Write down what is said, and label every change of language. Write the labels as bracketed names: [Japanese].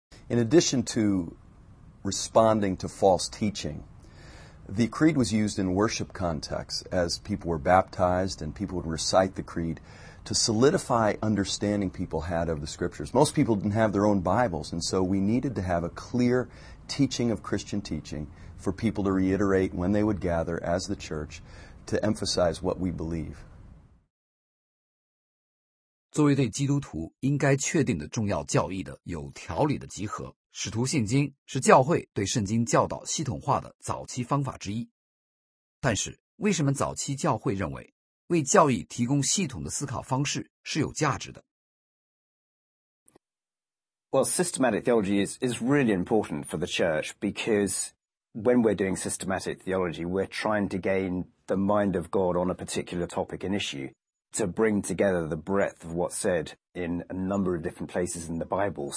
[English] In addition to responding to false teaching, the creed was used in worship contexts as people were baptized and people would recite the creed to solidify understanding people had of the scriptures. Most people didn't have their own Bibles, and so we needed to have a clear teaching of Christian teaching for people to reiterate when they would gather as the church to emphasize what we believe. [Chinese] 作为对基督徒应该确定的重要教义的有条理的集合，使徒信经是教会对圣经教导系统化的早期方法之一。但是为什么早期教会认为为教义提供系统的思考方式是有价值的？ [English] Well, systematic theology is really important for the church, because when we're doing systematic theology, we're trying to gain the mind of God on a particular topic and issue, to bring together the breadth of what's said in a number of different places in the Bible.